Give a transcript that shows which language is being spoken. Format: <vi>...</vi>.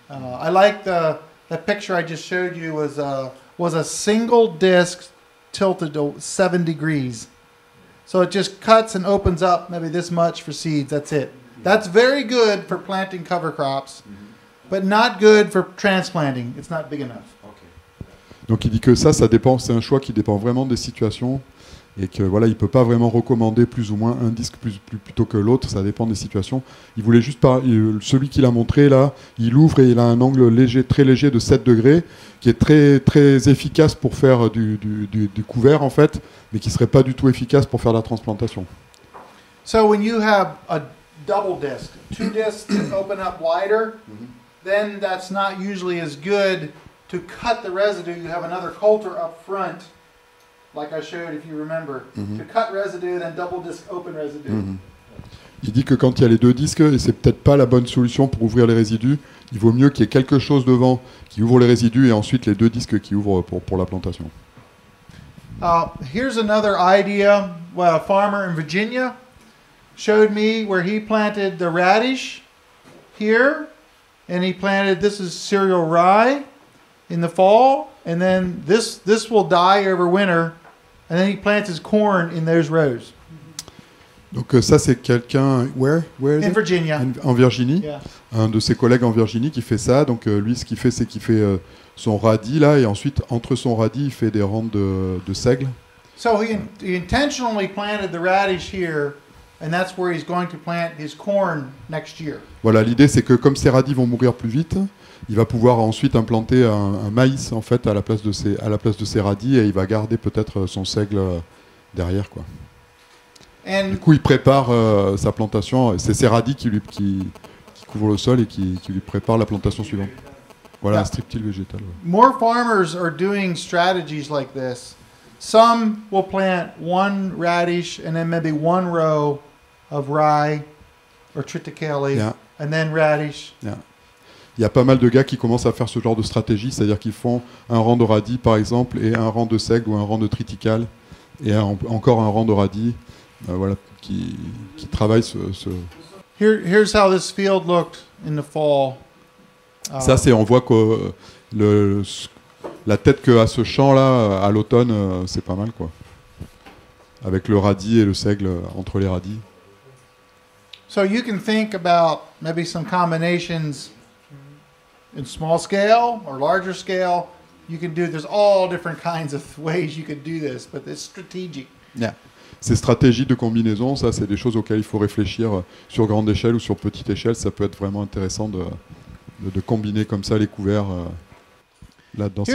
<en>I like the picture I just showed you was a single disc tilted 7 degrees. So it just cuts and opens up maybe this much for seeds. That's it. That's very good for planting cover crops, but not good for transplanting. It's not big enough.</en> <fr>Donc il dit que ça dépend. C'est un choix qui dépend vraiment des situations et que voilà, il peut pas vraiment recommander plus ou moins un disque plus plutôt que l'autre. Ça dépend des situations. Il voulait juste pas celui qu'il a montré là. Il ouvre et il a un angle léger, très léger de 7 degrés, qui est très très efficace pour faire du couvert en fait. Mais qui serait pas du tout efficace pour faire la transplantation.</fr> <en>So when you have a double disc, two discs that open up wider, then that's not usually as good to cut the residue. You have another coulter up front, like I showed if you remember, to cut residue, then double disc open residue.</en> <fr>Il dit que quand il y a les deux disques, et c'est peut-être pas la bonne solution pour ouvrir les résidus, il vaut mieux qu'il y ait quelque chose devant qui ouvre les résidus et ensuite les deux disques qui ouvrent pour la plantation.</fr> <en>Here's another idea. Well, a farmer in Virginia showed me where he planted the radish here, and he planted, this is cereal rye in the fall, and then this will die over winter, and then he plants his corn in those rows.</en> <fr>Donc ça c'est quelqu'un</fr> <en>where in Virginia.</en> <fr>En Virginie.</fr> <en>Yeah.</en> <fr>Un de ses collègues en Virginie qui fait ça. Donc lui ce qu'il fait c'est qu'il fait son radis là et ensuite entre son radis il fait des rangs de seigle.</fr> <en>So he intentionally planted the radish here and that's where he's going to plant his corn next year.</en> <fr>Voilà, l'idée c'est que comme ses radis vont mourir plus vite, il va pouvoir ensuite implanter un maïs en fait à la place de ses radis et il va garder peut-être son seigle derrière quoi.</fr> <en>And</en> <fr>du coup, il prépare sa plantation. C'est ses radis qui couvre le sol et qui lui prépare la plantation suivante. Voilà, un strip-till végétal. Ouais.</fr> <en>More farmers are doing strategies like this. Some will plant one radish and then maybe one row of rye or triticale, and then radish. Yeah.</en> <fr>Il y a pas mal de gars qui commencent à faire ce genre de stratégie, c'est-à-dire qu'ils font un rang de radis, par exemple, et un rang de seigle ou un rang de triticale, et encore un rang de radis. Voilà, qui travaille ce...</fr> <en>Here's how this field looked in the fall.</en> <fr>Ça, c'est, on voit que la tête qu'a ce champ-là à l'automne, c'est pas mal, quoi. Avec le radis et le seigle entre les radis.</fr> <en>So you can think about maybe some combinations in small scale or larger scale. You can do, there's all different kinds of ways you could do this, but it's strategic. Yeah.</en> <fr>Ces stratégies de combinaison, ça, c'est des choses auxquelles il faut réfléchir sur grande échelle ou sur petite échelle. Ça peut être vraiment intéressant de combiner comme ça les couverts là-dedans.</fr>